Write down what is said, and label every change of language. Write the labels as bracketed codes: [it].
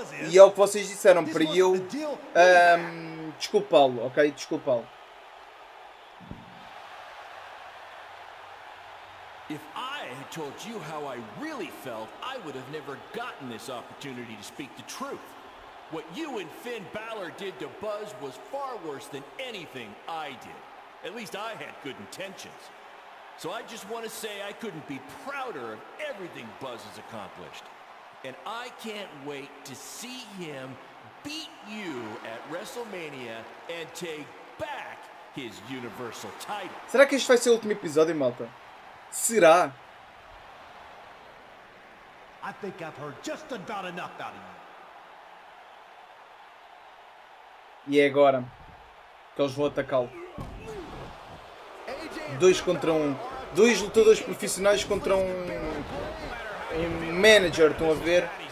[pt] E é o que vocês disseram para eu desculpá-lo, ok? Desculpá-lo. [en] If I had told you how I really felt, I would have never gotten this opportunity to speak the truth. What you and Finn Balor did to Buzz was far worse than anything I did. At least I had good intentions. So I just want to say I couldn't be prouder of everything Buzz has accomplished. And I can't wait to see him beat you at WrestleMania and take back his Universal title. [pt] Será que este vai ser o último episódio, malta? Será? [en] I think I've heard just about enough out of you. [pt] E é agora que eles vão atacá-lo. Dois contra um. Dois lutadores profissionais contra um manager, estão a ver?